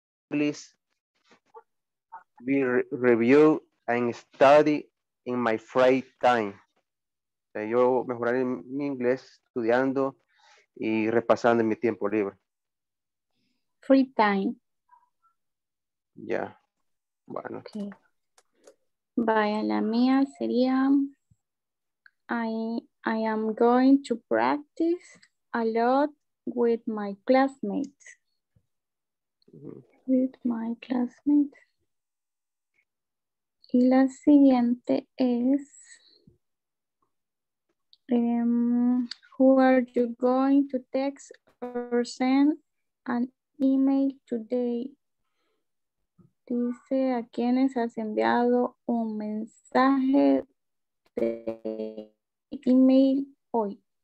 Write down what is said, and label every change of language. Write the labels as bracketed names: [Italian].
[English] Please be review and study in my free time. [Spanish] O sea, yo mejorar mi inglés estudiando y repasando en mi tiempo libre. [English] Free time. Ya. Yeah. Bueno. Okay. [Spanish] Vaya, la mía sería [English] I am going to practice a lot with my classmates. With my classmates. [Spanish] Y la siguiente es [English] who are you going to text or send an email today? [Spanish] Dice, ¿a quiénes has enviado un mensaje de email hoy?